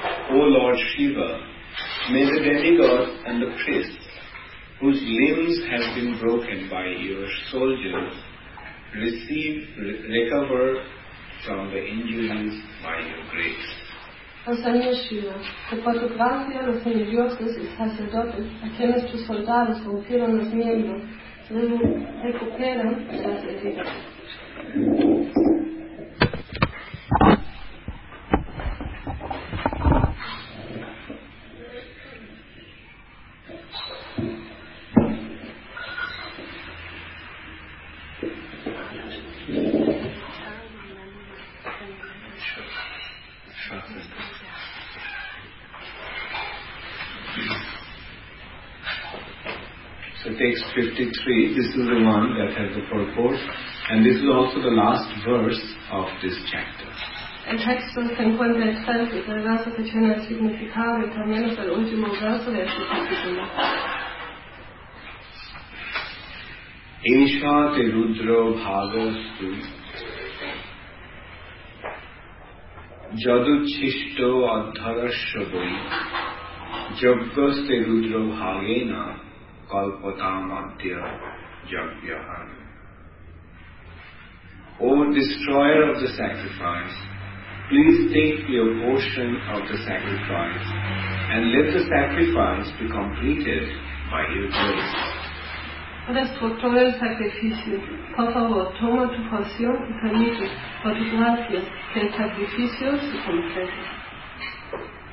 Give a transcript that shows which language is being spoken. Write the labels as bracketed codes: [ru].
[en] O Lord Shiva, may the demigods and the priests whose limbs have been broken by your soldiers receive, recover from the injuries by your grace. [es] O Señor Shiva, que por tu gracia los envidiosos y sacerdotes a quienes tus soldados rompieron los miembros se recuperan y las heridas. [en] Text 53, this is the one that has the purport, and this is also the last verse of this chapter. [es] El texto 53 es el verso que tiene el significado y también es el último verso de este capítulo. [sa] Esha te rudro bhagastu jaduchishto adharashvai jagas te rudro bhagena Kalpatamadhyaya Jagyahan. [en] O destroyer of the sacrifice, please take your portion of the sacrifice and let the sacrifice be completed by your grace. [es] O destructor del sacrificio, por favor, toma tu porción y permite, por tu gracia, que el sacrificio se complete.